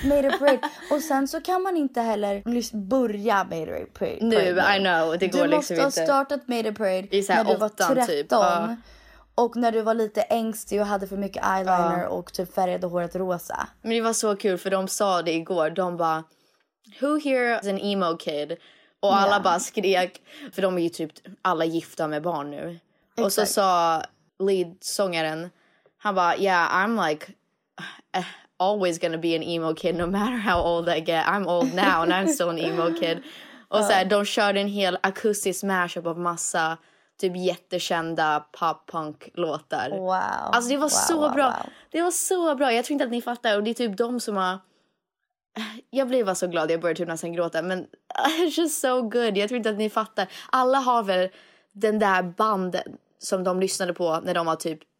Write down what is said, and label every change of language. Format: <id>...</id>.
<sv>Mayday Parade. Och sen så kan man inte heller börja Mayday Parade. Nu,</sv> <en>I know.</en> <sv>Det går liksom inte. Du måste ha startat Mayday Parade när du var 13. Och när du var lite ängstig och hade för mycket eyeliner och typ färgade håret rosa. Men det var så kul för de sa det igår. De bara,</sv> <en>who here is an emo kid?</en> <sv>Och alla bara skrek. För de är ju typ alla gifta med barn nu. Exakt. Och så sa lead-sångaren... Han bara,</sv> <en>yeah, I'm like always gonna be an emo kid no matter how old I get. I'm old now and I'm still an emo kid.</en> <sv>Och så här, de körde en hel akustisk mashup av massa typ jättekända pop-punk-låtar. Wow. Alltså det var bra. Wow. Det var så bra. Jag tror inte att ni fattar. Och det är typ de som har... Jag blev bara så glad. Jag började typ nästan gråta. Men</sv> <en>it's just so good.</en> <sv>Jag tror inte att ni fattar. Alla har väl den där banden som de lyssnade på när de var typ...</sv>